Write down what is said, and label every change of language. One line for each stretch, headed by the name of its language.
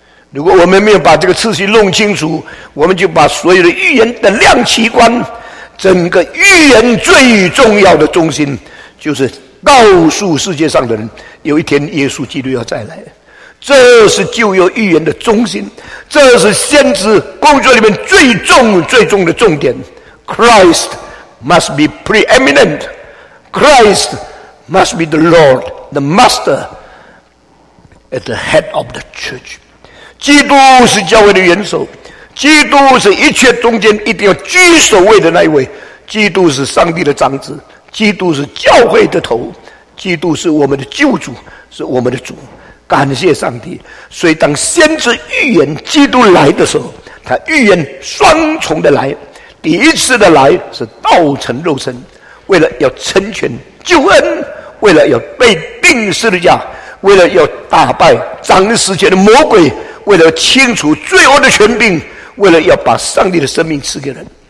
Chinese: 如果我们没有把这个次序弄清楚，我们就把所有的预言的量齐观，整个预言最重要的中心就是告诉世界上的人有一天耶稣基督要再来。这是旧约预言的中心，这是先知工作里面最重最重的重点。
English: Christ must be preeminent, Christ must be the Lord, the master at the head of the church。
Chinese: 基督是教会的元首，基督是一切中间一定要居首位的那一位，基督是上帝的长子，基督是教会的头，基督是我们的救主，是我们的主。感谢上帝。所以当先知预言基督来的时候，他预言双重的来，第一次的来是道成肉身，为了要成全救恩，为了要被钉十字架，为了要打败掌死权的魔鬼，为了清除罪恶的权柄，为了要把上帝的生命赐给人。